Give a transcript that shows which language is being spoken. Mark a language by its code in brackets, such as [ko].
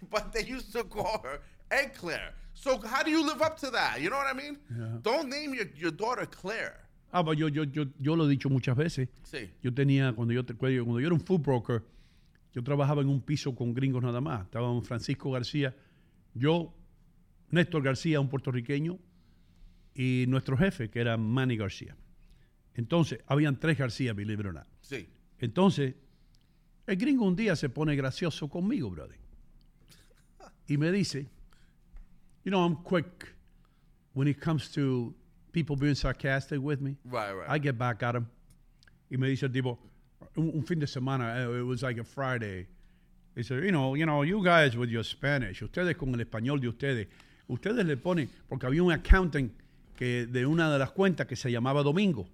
[en] But they used to call her Egg Claire. So how do you live up to that? You know what I mean? Yeah. Don't name your daughter Claire. [es] Ah, pero yo lo he dicho muchas veces. Sí. Yo tenía, cuando yo era un [en] food broker, [es] yo trabajaba en un piso con gringos nada más. Estaba un Francisco García, yo, Néstor García, un puertorriqueño, y nuestro jefe, que era Manny García. Entonces, habían 3 García, [en] believe it or not. [es] Sí. Entonces, el gringo un día se pone gracioso conmigo, brother. Y me dice... [en] You know, I'm quick when it comes to people being sarcastic with me. Right, right. I get back at him. [es] Y me dice, tipo, un fin de semana, [en] it was like a Friday. He said, you know, you guys with your Spanish, [es] ustedes con el español de ustedes, ustedes le ponen, porque había un accountant que de una de las cuentas que se llamaba Domingo.